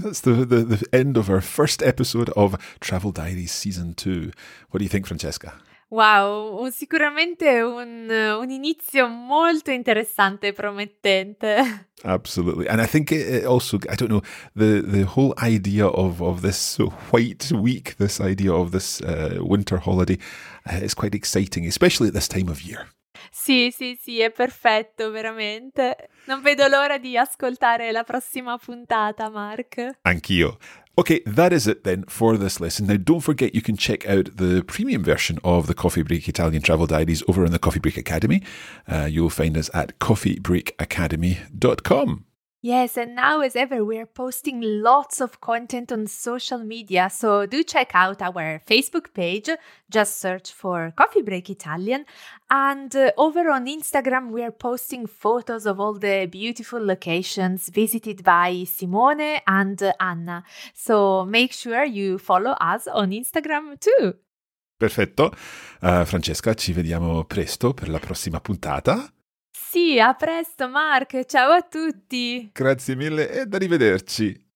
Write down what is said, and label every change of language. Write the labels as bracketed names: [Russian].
[English] That's the end of our first episode of Travel Diaries Season 2. What do you think, Francesca? [Italian] Wow, sicuramente un inizio molto interessante e promettente. [English] Absolutely. And I think it also, I don't know, the whole idea of this white week, this idea of this winter holiday is quite exciting, especially at this time of year. [Italian] Sì, sì, sì, è perfetto, veramente. Non vedo l'ora di ascoltare la prossima puntata, Mark. Anch'io. [English] Okay, that is it then for this lesson. Now, don't forget you can check out the premium version of the Coffee Break Italian Travel Diaries over in the Coffee Break Academy. You'll find us at coffeebreakacademy.com. Yes, and now as ever, we're posting lots of content on social media. So do check out our Facebook page. Just search for Coffee Break Italian. And over on Instagram, we're posting photos of all the beautiful locations visited by Simone and Anna. So make sure you follow us on Instagram too. [Italian] Perfetto. Francesca, ci vediamo presto per la prossima puntata. Sì, a presto, Mark. Ciao a tutti. Grazie mille e arrivederci.